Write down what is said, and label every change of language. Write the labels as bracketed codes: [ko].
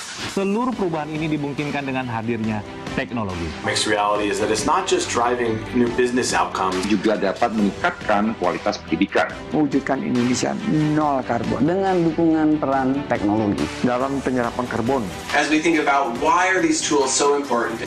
[id] Seluruh perubahan ini dimungkinkan dengan hadirnya teknologi. [en] Mixed reality is that it's not just driving new business outcomes. [id] Juga dapat meningkatkan kualitas pendidikan. Mewujudkan Indonesia nol karbon dengan dukungan peran teknologi dalam penyerapan karbon. [en] As we think about why are these tools so important?